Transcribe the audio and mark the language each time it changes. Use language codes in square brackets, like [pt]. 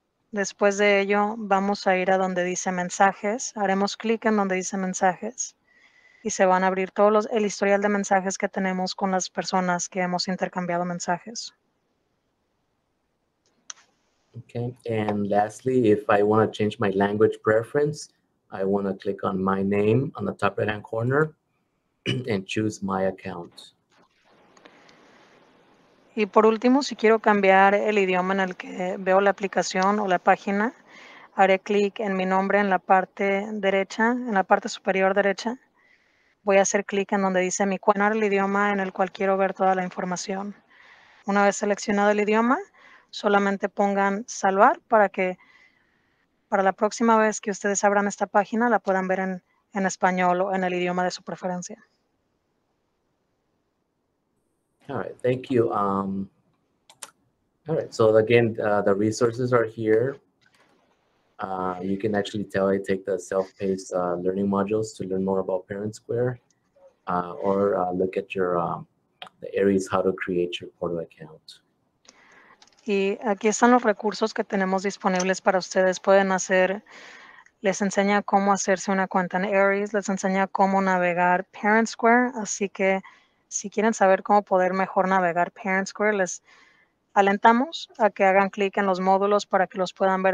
[es] Después de ello, vamos a ir a donde dice mensajes. Haremos clic en donde dice mensajes. Y se van a abrir todos los, el historial de mensajes que tenemos con las personas que hemos intercambiado mensajes. [en] Okay, and lastly, if I want to change my language preference, I want to click on my name on the top right-hand corner and choose my account. [es] Y por último, si quiero cambiar el idioma en el que veo la aplicación o la página, haré clic en mi nombre en la parte derecha, en la parte superior derecha. Voy a hacer clic en donde dice mi cuenta, el idioma en el cual quiero ver toda la información. Una vez seleccionado el idioma, solamente pongan salvar para que para la próxima vez que ustedes abran esta página la puedan ver en español o en el idioma de su preferencia. [en] All right, thank you. All right, so again, the resources are here. You can actually tell I take the self-paced learning modules to learn more about ParentSquare or look at your the Aeries, how to create your portal account. [es] Y aquí están los recursos que tenemos disponibles para ustedes. Pueden hacer, les enseña cómo hacerse una cuenta en Aeries, les enseña cómo navegar ParentSquare. Así que si quieren saber cómo poder mejor navegar ParentSquare, les alentamos a que hagan clic en los módulos para que los puedan ver.